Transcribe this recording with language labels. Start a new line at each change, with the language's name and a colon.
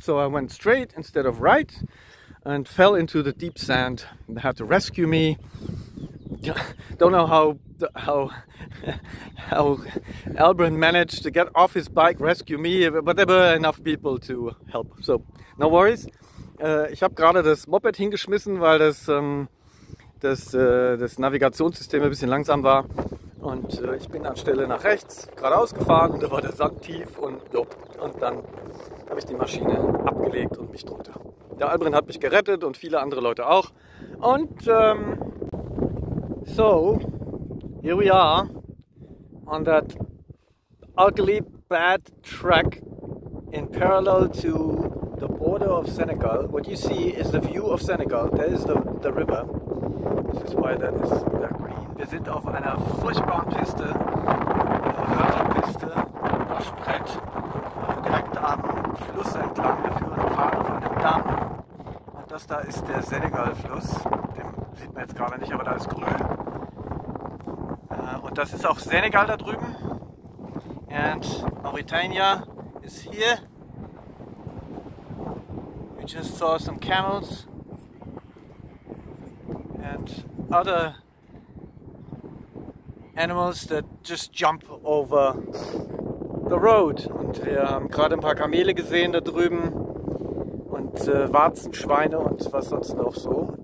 English: So I went straight instead of right and fell into the deep sand. They had to rescue me. Don't know how Albrin managed to get off his bike, rescue me, but there were enough people to help. So, no worries.
German: Ich habe gerade das Moped hingeschmissen, weil das Navigationssystem ein bisschen langsam war. Und ich bin anstelle nach rechts geradeaus gefahren und da war der Sand tief und dann habe ich die Maschine abgelegt und mich drunter. Der Albrin hat mich gerettet und viele andere Leute auch. Und so,
English: here we are on that ugly, bad track in parallel to the border of Senegal. What you see is the view of Senegal. There is the river. This is why that is that green.
German: Wir sind auf einer furchtbaren Piste, Radpiste, Waschbrett, direkt am Fluss entlang. Wir führen einen Pfad auf einem Damm. Und das da ist der Senegal-Fluss. Den sieht man jetzt gerade nicht, aber da ist grün. Und das ist auch Senegal da drüben.
English: and Mauritania is here. We just saw some camels and other animals that just jump over the road.
German: Und wir haben gerade ein paar Kamele gesehen da drüben und Warzenschweine und was sonst noch so.